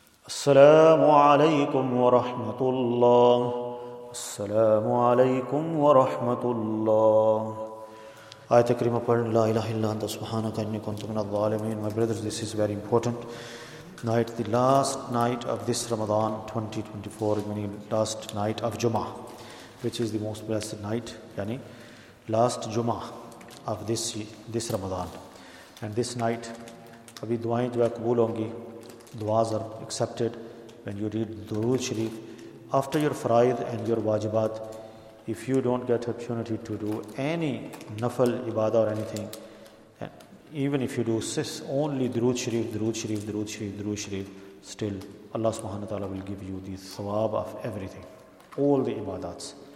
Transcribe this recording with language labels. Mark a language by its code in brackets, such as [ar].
[ar] السلام عليكم ورحمة الله. السلام عليكم ورحمة الله. آية كريمة قرن لا إله إلا أنت سبحانك إني كنت من الظالمين. [en] My brothers, this is very important night, the last night of this Ramadan 2024, meaning last night of Jummah, which is the most blessed night, yani last Jummah of this Ramadan. And this night [ur] ابھی دعائیں جو ہے قبول ہوں گی. [en] Du'as are accepted when you read Durood Sharif after your faraid and your wajibat. if you don't get opportunity to do any nafal ibadah or anything, then even if you do sis only Durood Sharif, Durood Sharif, Durood Sharif, Durood Sharif, still Allah subhanahu wa ta'ala will give you the thawab of everything, all the ibadats.